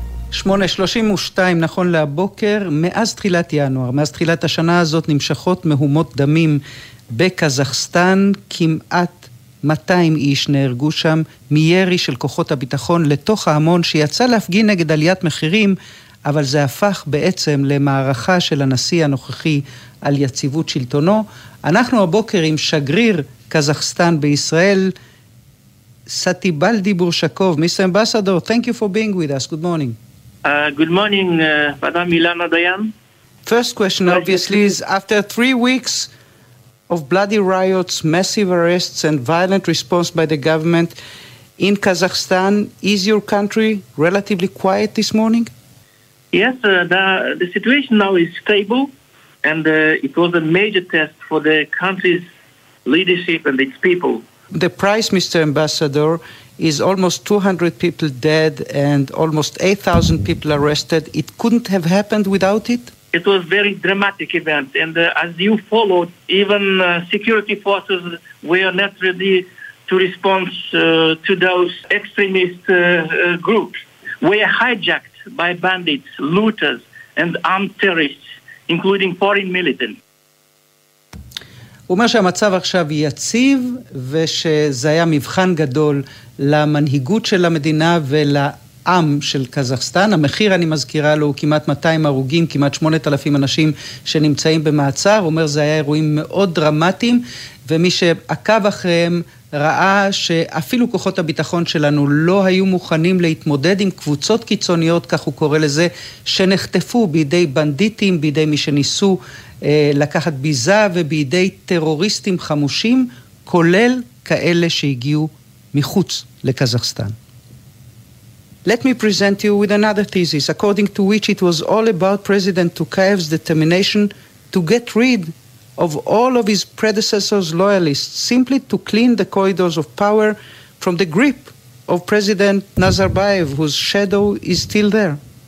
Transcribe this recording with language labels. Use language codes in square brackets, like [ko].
[he] שמונה, 32 נכון להבוקר, מאז תחילת ינואר, מאז תחילת השנה הזאת נמשכות מהומות דמים בקזחסטן, כמעט 200 איש נהרגו שם מירי של כוחות הביטחון לתוך ההמון שיצא להפגין נגד עליית מחירים, אבל זה הפך בעצם למערכה של הנשיא הנוכחי על יציבות שלטונו. אנחנו הבוקר עם שגריר קזחסטן בישראל, סטיבל דיבור שקוב, [en] מיסטר אמבסדור, thank you for being with us, good morning. Good morning, Madam Ilana Dayan. First question, obviously, is after 3 weeks of bloody riots, massive arrests and violent response by the government in Kazakhstan, is your country relatively quiet this morning? Yes, the situation now is stable, and it was a major test for the country's leadership and its people. The price, Mr. Ambassador, is almost 200 people dead and almost 8,000 people arrested. It couldn't have happened without it? It was a very dramatic event. And as you followed, even security forces were not ready to respond to those extremist groups. Were hijacked by bandits, looters, and armed terrorists, including foreign militants. [he] הוא אומר שהמצב עכשיו יציב, ושזה היה מבחן גדול למנהיגות של המדינה ולעם של קזחסטן. המחיר, אני מזכירה לו, הוא כמעט 200 הרוגים, כמעט 8,000 אנשים שנמצאים במעצר. הוא אומר, זה היה אירועים מאוד דרמטיים, ומי שעקב אחריהם ראה שאפילו כוחות הביטחון שלנו לא היו מוכנים להתמודד עם קבוצות קיצוניות, כך הוא קורא לזה, שנחטפו בידי בנדיטים, בידי מי שניסו לקחת ביזה, ובידי טרוריסטים חמושים, כולל כאלה שהגיעו מחוץ לקזחסטן. [en] Let me present you with another thesis, according to which it was all about President Tokayev's determination to get rid of all of his predecessors' loyalists, simply to clean the corridors of power from the grip of President Nazarbayev, whose shadow is still there.